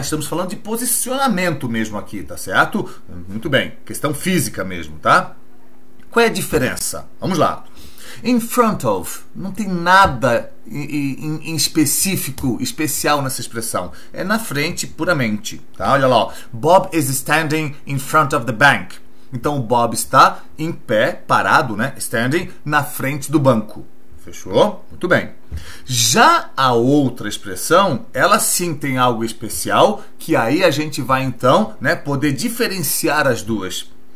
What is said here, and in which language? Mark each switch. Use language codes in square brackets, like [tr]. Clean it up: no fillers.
[pt] Estamos falando de posicionamento mesmo aqui, tá certo? Muito bem, questão física mesmo, tá? Qual é a diferença? Vamos lá. In front of, não tem nada em específico, especial nessa expressão. É na frente, puramente. Tá? Olha lá, ó. [en] Bob is standing in front of the bank. [pt] Então, o Bob está em pé, parado, né? Standing na frente do banco. Fechou? Muito bem. Já a outra expressão, ela sim tem algo especial, que aí a gente vai, então, né, poder diferenciar as duas.